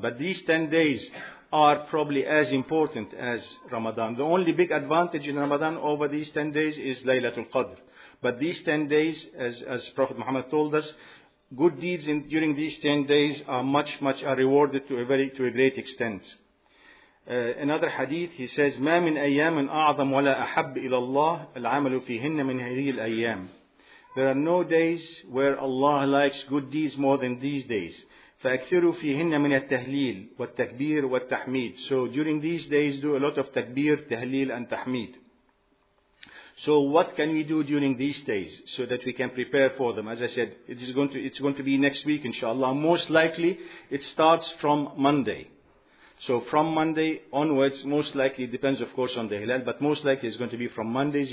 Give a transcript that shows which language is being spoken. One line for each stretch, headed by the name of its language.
English: But these 10 days are probably as important as Ramadan. The only big advantage in Ramadan over these 10 days is Laylatul Qadr. But these 10 days, as Prophet Muhammad told us, good deeds in, during these 10 days are much are rewarded to a great extent. Another hadith, he says,
Arabic: ما من أيام أعظم ولا أحب إلى الله العمل فيهن من هذه الأيام.
English: There are no days where Allah likes good deeds more than these days.
Arabic: فأكثروا فيهن من التهليل والتكبير والتحميد.
English: So during these days, do a lot of takbir, tahleel, and tahmid. So what can we do during these days so that we can prepare for them? As I said, it's going to be next week, inshallah. Most likely, it starts from Monday. So from Monday onwards, most likely, depends of course on the Hilal, but most likely it's going to be from Mondays.